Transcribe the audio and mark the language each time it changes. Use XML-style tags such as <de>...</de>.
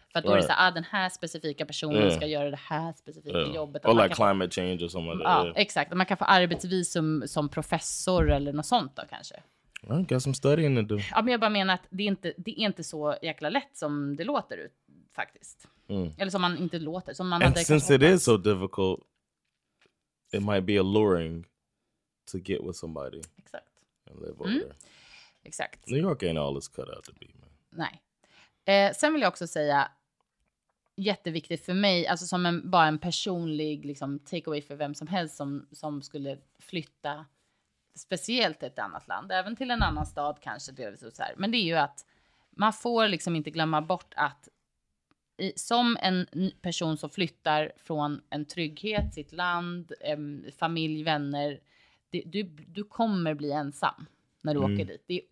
<sv>För att då är det så här, den här specifika personen ska göra det här specifika jobbet. Och like climate change och sådana där. Ja, exakt. Man kan få arbetsvisum som professor eller något sånt då kanske.</sv> <en>Well, got some studying to do.</en> <sv>Ja, men jag bara menar att det är inte så jäkla lätt som det låter ut faktiskt. Mm. Eller som man inte låter. Som man</sv> <en>And since it is so difficult, it might be alluring to get with somebody.</en> <sv>Exakt.</sv> <en>And live over there.</en> <sv>Exakt.</sv> <en>New York ain't all it's cut out to be, man.</en> <sv>Nej. Sen vill jag också säga, jätteviktigt för mig, alltså som bara en personlig liksom takeaway för vem som helst som skulle flytta speciellt till ett annat land, även till en annan stad kanske delvis så här. Men det är ju att man får liksom inte glömma bort att som en person som flyttar från en trygghet, sitt land, familj, vänner, Du kommer bli ensam när du åker dit.</sv>